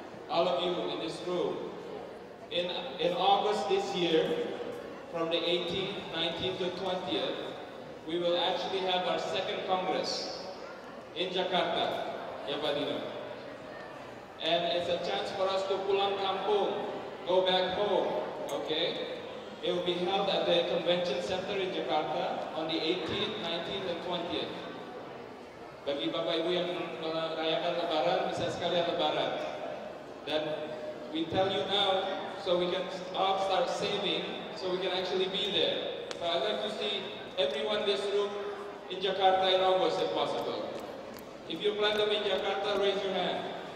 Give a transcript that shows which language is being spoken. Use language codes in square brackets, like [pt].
[en] all of you in this room. In August this year, from the 18th, 19th to 20th, we will actually have our second Congress in Jakarta, [id] ya Pak Dino. [en] And it's a chance for us to [id] pulang kampung, [en] go back home, okay? It will be held at the Convention Center in Jakarta on the 18th, 19th, and 20th. [id] Bagi Bapak Ibu yang merayakan Lebaran, bisa sekalian Lebaran. [en] Then we tell you now, so we can all start saving, so we can actually be there. So I'd like to see everyone in this room in Jakarta in August, if possible. If you plan to be in Jakarta, raise your hand.